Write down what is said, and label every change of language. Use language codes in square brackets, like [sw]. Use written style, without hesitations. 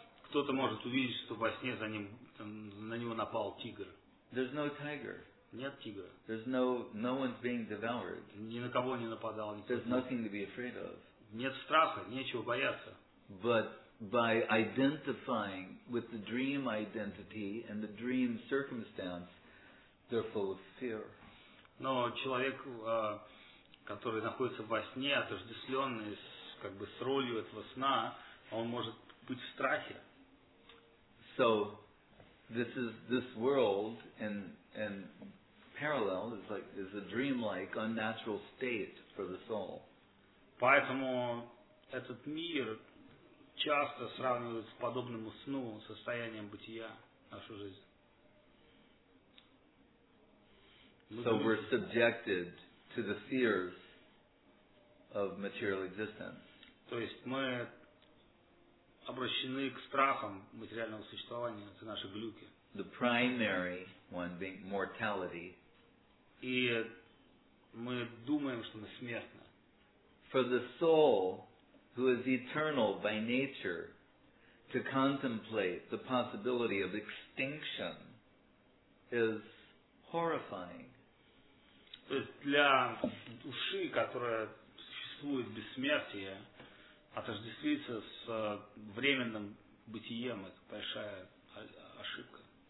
[ru] Кто-то может увидеть, что во сне на него напал тигр. [en] There's no tiger. [ru] Нет тигра. [en] There's no one's being devoured. [ru] Ни на кого не нападал. [en] There's nothing to be afraid of. [ru] Нет страха, нечего бояться. [en] But by identifying with the dream identity and the dream circumstance, they're full of fear. [ru] Но человек, который находится во сне, отождествленный с ролью этого сна, он может быть в страхе. [en] So this is this world and parallel is like is a dreamlike unnatural state for the soul. [ru] Поэтому этот мир часто сравнивают с подобным сну состоянием бытия нашу жизнь. [en] So we're subjected to the fears of material existence. [ru] То есть мы обращены к страхам материального существования, это наши глюки. [en] The primary one being mortality. [ru] И мы думаем, что мы смертны. [en] For the soul, who is eternal by nature, to contemplate the possibility of extinction is horrifying. [ru] То есть для души, которая существует без смерти, отождествиться с временным бытием — это большая ошибка.